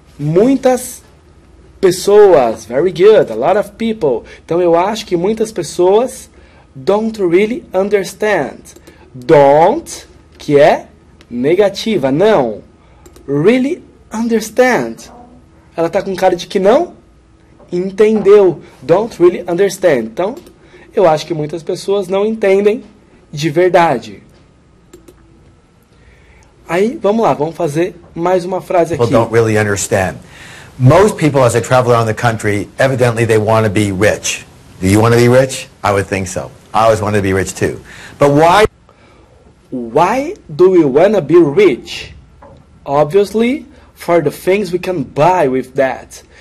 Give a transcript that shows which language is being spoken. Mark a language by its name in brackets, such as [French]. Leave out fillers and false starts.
[Portuguese] Muitas pessoas. [English] Very good, a lot of people. [Portuguese] Então eu acho que muitas pessoas [English] don't really understand. [Portuguese] Don't, que é negativa, não. [English] Really understand. [Portuguese] Ela está com cara de que não entendeu. [English] Don't really understand. [Portuguese] Então eu acho que muitas pessoas não entendem de verdade. Aí, vamos lá, vamos fazer mais uma frase aqui. [English] People don't really understand. Most people, as they travel around the country, evidently they want to be rich. Do you want to be rich? I would think so. I always wanted to be rich too. But why? Why do we want to be rich? Obviously, for the things we can buy with that.